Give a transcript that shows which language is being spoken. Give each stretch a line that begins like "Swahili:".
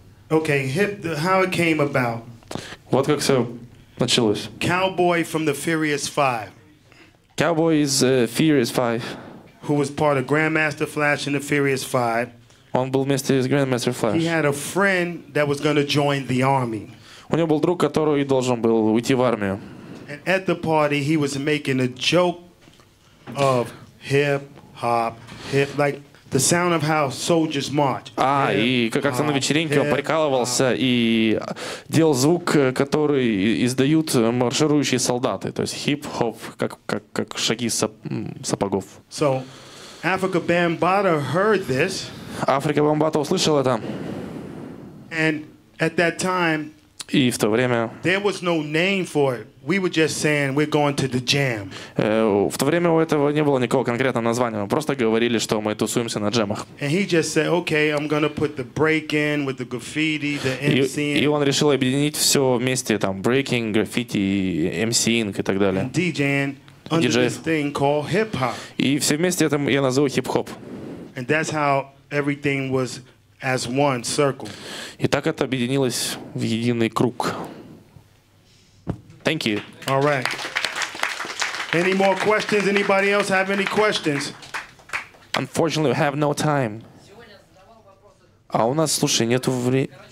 English: Okay, how it came about.
Russian: Вот как все началось.
English: Cowboy from the Furious Five. Cowboy is Furious Five. Who was part of Grandmaster Flash and the Furious Five.
Russian: Он был вместе с Grandmaster Flash.
English: He had a friend that was going to join the army.
Russian: У него был друг, который должен был уйти в армию.
English: And at the party he was making a joke of hip-hop, hip, like the sound of how soldiers march.
Russian: А, и как-то на вечеринке он прикалывался и делал звук, который издают марширующие солдаты. То есть хип-хоп, как шаги сапогов.
English: So, Africa Bambaataa heard this.
Russian: Африка Бамбаатаa услышал это.
English: And at that time,
Russian: и в то время
English: there was no name for it. We were just saying we're going to the jam.
Russian: В то время у этого не было никакого конкретного названия. Мы просто говорили, что мы тусуемся на джемах.
English: And he just said, okay, I'm gonna put the break in with the graffiti, the MCing.
Russian: И он решил объединить все вместе, там breaking, graffiti, MCing и так далее.
English: And DJing under this thing called hip hop.
Russian: И все вместе это я назову хип-хоп.
English: And that's how everything was as one circle.
Russian: И так это объединилось в единый круг.
English: Thank you. All right. Any more questions? Anybody else have any questions? Unfortunately, we have no time.
Russian: А у нас, слушай, нету времени.